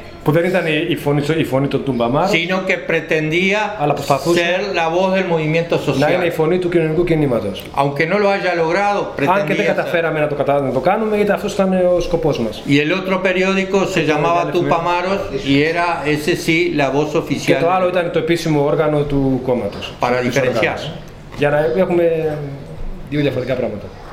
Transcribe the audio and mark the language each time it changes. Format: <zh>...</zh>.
<el>Που δεν ήταν η φωνή του Τουμπαμάρ,</el> <es>sino que pretendía ser la voz del movimiento social.</es> <el>Να είναι η φωνή του κοινωνικού κινήματος.</el> <es>Aunque no lo haya logrado, pretendía.</es> <el>Αν και δεν καταφέραμε να το κάνουμε, γιατί αυτός ήταν ο σκοπός μας.</el> <es>Y el otro periódico se llamaba Tupamaros y era ese sí la voz oficial.</es> <el>Και το άλλο ήταν το επίσημο όργανο του κόμματος.</el> <es>Para diferenciar.</es> <el>Για να έχουμε δύο διαφορετικά πράγματα.</el>